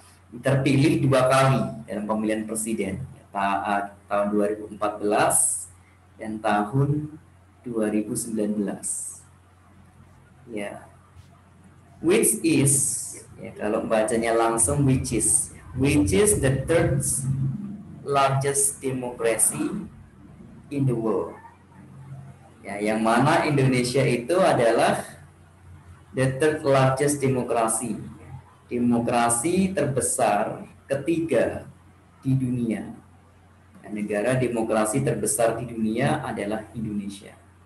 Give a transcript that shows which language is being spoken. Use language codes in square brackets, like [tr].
[id] terpilih dua kali dalam pemilihan presiden, ya, tahun 2014 dan tahun 2019. [en] Ya, which is, ya, [id] kalau bacanya langsung [en] which is the third largest democracy in the world. [id] Ya, yang mana Indonesia itu adalah [en] the third largest [id] demokrasi, demokrasi terbesar ketiga di dunia. Ya, negara demokrasi terbesar di dunia adalah Indonesia.